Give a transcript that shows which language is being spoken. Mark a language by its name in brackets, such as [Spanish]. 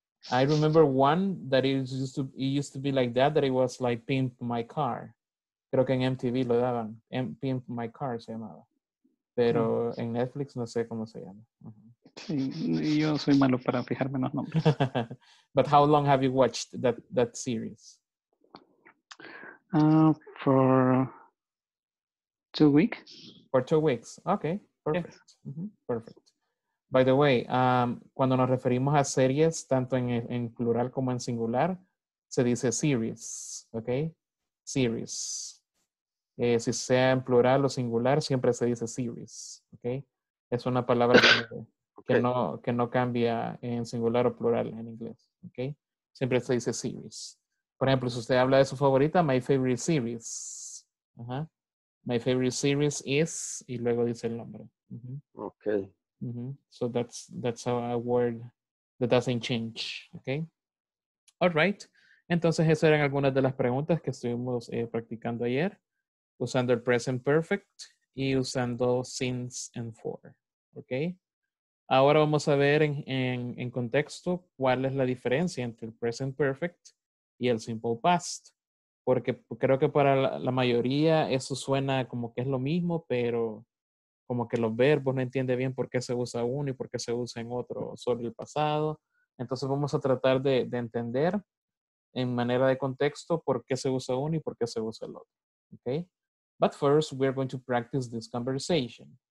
[English] I remember one that is used to be like that it was like Pimp My Car. [Spanish] Creo que en MTV lo daban. Pimp My Car se llamaba. Pero en Netflix no sé cómo se llama. Uh-huh. Sí, yo soy malo para fijarme en los nombres. [English] But how long have you watched that series? For 2 weeks. For 2 weeks. Okay, perfect. Yes. Uh-huh. Perfect. By the way, [Spanish] cuando nos referimos a series, tanto en plural como en singular, se dice series, okay? Series. Si sea en plural o singular, siempre se dice series, okay? Es una palabra que no cambia en singular o plural en inglés, okay? Siempre se dice series. Por ejemplo, si usted habla de su favorita, [English] my favorite series. [Spanish] Uh-huh. [English] My favorite series is, [Spanish] y luego dice el nombre. Uh-huh. Okay. Mm-hmm. [English] So that's a word that doesn't change, okay? All right. [Spanish] Entonces, esas eran algunas de las preguntas que estuvimos practicando ayer, usando el present perfect y usando since and for, okay? Ahora vamos a ver en contexto cuál es la diferencia entre el present perfect y el simple past, porque creo que para la mayoría eso suena como que es lo mismo, pero como que los verbos no entiende bien por qué se usa uno y por qué se usa en otro, solo el pasado. Entonces vamos a tratar de entender en manera de contexto por qué se usa uno y por qué se usa el otro. Okay? [English] But first, we are going to practice this conversation.